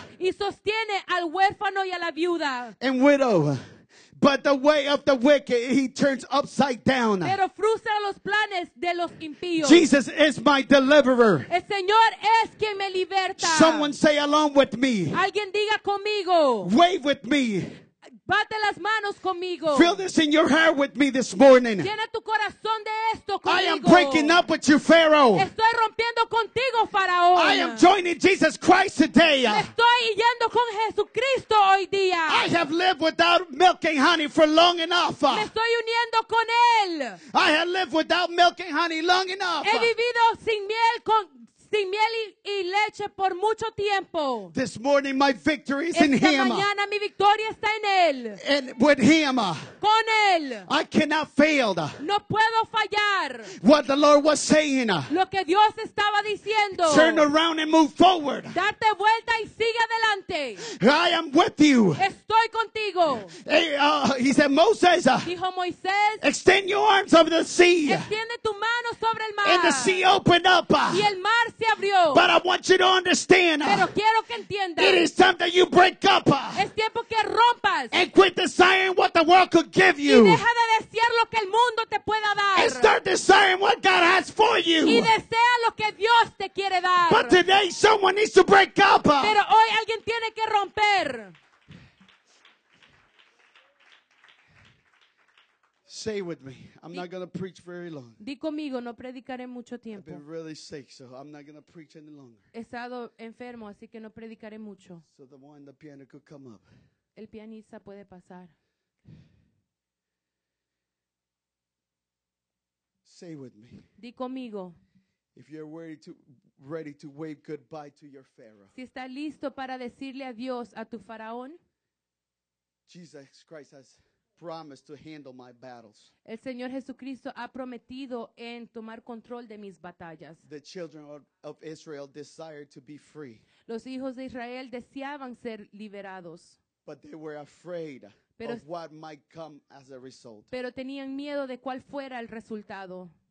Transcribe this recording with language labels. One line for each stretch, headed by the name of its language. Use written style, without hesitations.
Spanish: Y sostiene al huérfano y a la viuda.
English: And widow. But the way of the wicked, he turns upside down.
Spanish: Pero frustra los planes de los impíos.
English: Jesus is my deliverer.
Spanish: El Señor es quien me liberta.
English: Someone say along with me.
Spanish: Alguien diga conmigo.
English: Wave with me.
Spanish: Bate las manos conmigo.
English: Feel this in your heart with me this morning.
Spanish: Llena tu corazón de esto conmigo.
English: I am breaking up with you, Pharaoh.
Spanish: Estoy rompiendo contigo, Faraón.
English: I am joining Jesus Christ today.
Spanish: Estoy yendo con Jesucristo hoy día.
English: I have lived without milk and honey for long enough.
Spanish: Me estoy uniendo con él.
English: I have lived without milk and honey long enough.
Spanish: He vivido sin miel con sin miel y leche por mucho tiempo.
English: This morning my victory is
Spanish: esta
English: in him.
Spanish: Mañana mi victoria está en él.
English: And with him.
Spanish: Con él.
English: I cannot fail.
Spanish: No puedo fallar.
English: What the Lord was saying.
Spanish: Lo que Dios estaba diciendo.
English: Turn around and move forward.
Spanish: Date vuelta y sigue adelante.
English: I am with you.
Spanish: Estoy contigo.
English: Hey, he said, Moses.
Spanish: Dijo Moisés.
English: Extend your arms over the sea.
Spanish: Extiende tu mano sobre el mar.
English: And the sea opened up.
Spanish: Y el mar.
English: But I want you to understand.
Spanish: Pero quiero que entiendas.
English: It is time that you break up.
Spanish: Es tiempo que rompas.
English: And quit desiring what the world could give you.
Spanish: Y deja de desear lo que el mundo te pueda dar.
English: And start desiring what God has for you.
Spanish: Y desea lo que Dios te quiere dar.
English: But today someone needs to break up.
Spanish: Pero hoy alguien tiene que romper.
English: Say with me. I'm not going to preach very long.
Spanish: Di conmigo, no predicaré mucho tiempo.
English: I've been really sick, so I'm not going to preach any longer.
Spanish: He estado enfermo, así que no predicaré mucho.
English: So the one on the piano could come up.
Spanish: El pianista puede pasar.
English: Say with me.
Spanish: Di conmigo.
English: If you're ready to wave goodbye to your Pharaoh.
Spanish: Si está listo para decirle adiós a tu faraón.
English: Jesus Christ has promise to handle my battles.
Spanish: El Señor Jesucristo ha prometido en tomar control de mis batallas.
English: The children of Israel desired to be free.
Spanish: Los hijos de Israel deseaban ser liberados.
English: But they were afraid of what might come as a result.
Spanish: Pero tenían miedo de cuál fuera el resultado.